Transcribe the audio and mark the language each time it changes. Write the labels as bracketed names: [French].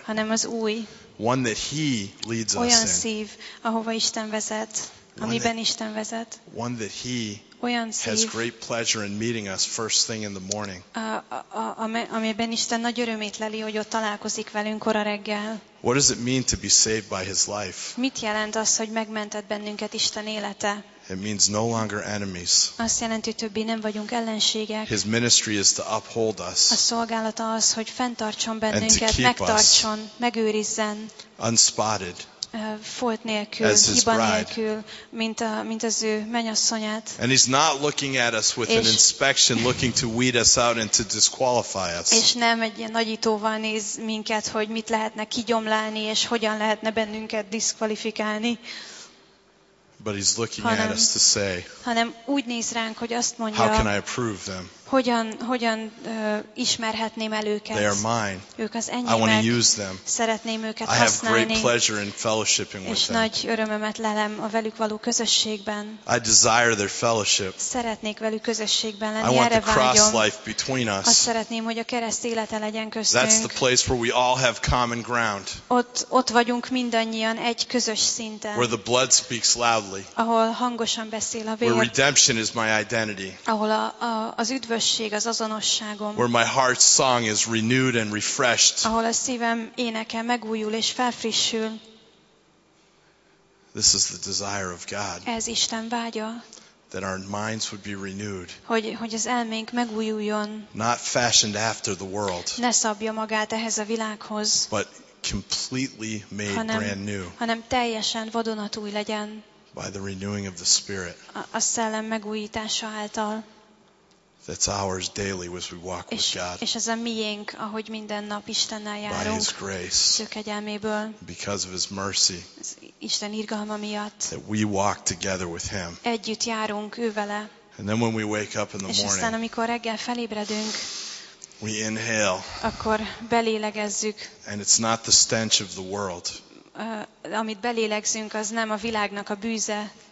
[Hungarian] Hanem az új. [English] One that He leads [Hungarian] olyan [English] us in. [Hungarian] Szív, ahova Isten vezet. Amiben Isten vezet. [English] One that He [Hungarian] olyan szív, [English] has great pleasure in meeting us first thing in the morning. [Hungarian] Amiben Isten nagy örömét leli, hogy ott találkozik velünk kora reggel. [English] What does it mean to be saved by His life? [Hungarian] Mit jelent az, hogy megmentett bennünket Isten élete? [English] It means no longer enemies. [Hungarian] Azt jelenti, hogy többé nem vagyunk ellenségek. [English] His ministry is to uphold us. [Hungarian] A szolgálata az, hogy fenntartson bennünket, megtartson, megőrizzen. [English] Unspotted. [Hungarian] Folt nélkül, hiba nélkül, mint az ő mennyasszonyát. [English] And He's not looking at us with an inspection, looking to weed us out and to disqualify us. [Hungarian] És nem egy ilyen nagyítóval néz minket, hogy mit lehetne kigyomlálni, és hogyan lehetne bennünket diszkvalifikálni. [English] But he's looking at us to say, [Hungarian] hanem úgy néz ránk, hogy azt mondja, [English] how can I approve them? [Hungarian] Hogyan ismerhetném el őket? [English] They are mine. [Hungarian] Ők az enyémek. [English] I want to use them. [Hungarian] Szeretném őket használni. [English] I have great pleasure in fellowshipping with them. [Hungarian] És nagy örömömet lelem a velük való közösségben. [English] I desire their fellowship. [Hungarian] Szeretnék velük közösségben lenni. [English] I want the cross life between us. [Hungarian] Azt szeretném, hogy a kereszt élete legyen köztünk. [English] That's the place where we all have common ground. [Hungarian] Ott vagyunk mindannyian egy közös szinten. [English] Where the blood speaks loudly. [Hungarian] Ahol hangosan beszél a vér. [English] Where redemption is my identity. [Hungarian] Ahol az üdvösség. Az azonosságom. [English] Where my heart's song is renewed and refreshed. [Hungarian] Ahol a szívem éneke megújul és felfrissül. [English] This is the desire of God. [Hungarian] Ez Isten vágya. [English] That our minds would be renewed. [Hungarian] Hogy az elménk megújuljon. [English] Not fashioned after the world. [Hungarian] Ne szabja magát ehhez a világhoz. [English] But completely made brand new. [Hungarian] Hanem teljesen vadonatúj legyen. [English] By the renewing of the Spirit. [Hungarian] A szellem megújítása által. [English] That's ours daily as we walk with God. [Hungarian] És ez a miénk, ahogy minden nap Istennel járunk. [English] By His grace. [Hungarian] Az ő kegyelméből. [English] Because of His mercy. [Hungarian] Isten irgalma miatt. [English] That we walk together with Him. [Hungarian] Együtt járunk ő vele. [English] And then when we wake up in the morning. [Hungarian] És aztán amikor reggel felébredünk. [English] We inhale. [Hungarian] Akkor belélegezzük. [English] And it's not the stench of the world. [Hungarian] Amit belélegzünk, az nem a világnak a bűze.